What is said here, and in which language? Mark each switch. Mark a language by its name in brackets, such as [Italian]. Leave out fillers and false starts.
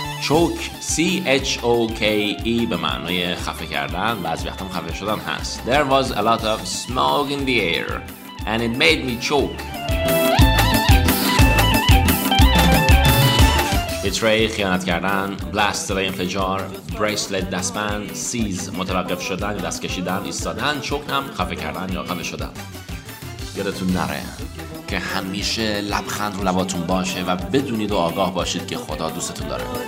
[Persian] Choke, C-H-O-K-E به معنی خفه کردن، بعضی وقتا خفه شدن هست. [English] There was a lot of smoke in the air and it made me choke. [Persian] بتری خیانت کردن، بلاست صدای انفجار، بریسلت دستبند، سیز متوقف شدن یا دست کشیدن، ایستادن، چوک هم خفه کردن یا خفه شدن. یادتون نره که همیشه لبخند رو لباتون باشه و بدونید و آگاه باشید که خدا دوستتون داره.